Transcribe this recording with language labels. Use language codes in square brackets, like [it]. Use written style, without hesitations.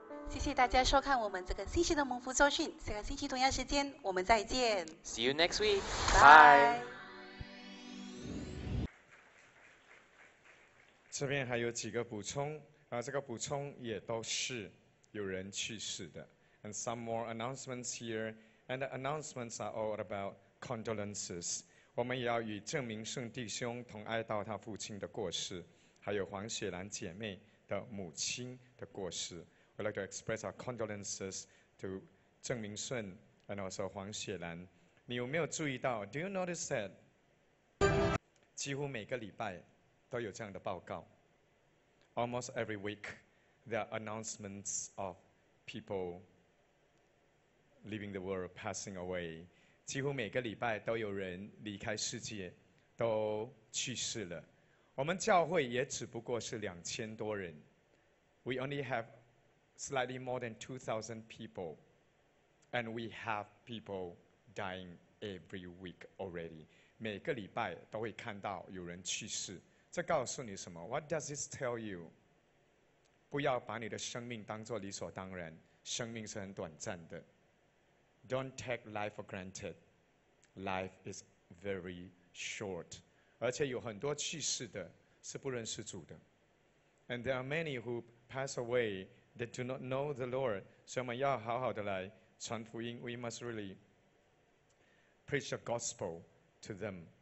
[zh] 谢谢大家收看我们这个星期的蒙福周讯，下个星期同样时间我们再见。 [en] See you next week. Bye. [zh] 这边还有几个补充，这个补充也都是有人去世的。 [en] And some more announcements here, and the announcements are all about condolences. [zh] 我们也要与郑明顺弟兄同哀悼他父亲的过世，还有黄雪兰姐妹的母亲的过世。 [en] We'd like to express our condolences to 郑明顺 and also 黄雪兰。 [zh] 你有没有注意到 ？ [en] Do you notice that? [zh] 几乎每个礼拜。都有这样的报告。 [en] Almost every week, there are announcements of people leaving the world, passing away. [zh] 几乎每个礼拜都有人离开世界，都去世了。我们教会也只不过是2000多人。 [en] We only have slightly more than 2,000 people, and we have people dying every week already. [zh] 每个礼拜都会看到有人去世。这告诉你什么 [en] ？What does this tell you？ [zh] 不要把你的生命当作理所当然，生命是很短暂的。 [en] Don't take life for granted. Life is very short. [zh] 而且有很多去世的是不认识主的。 [en] And there are many who pass away that do not know the Lord. [zh] 所以我们要好好的来传福音。 [en] We must really preach the gospel to them.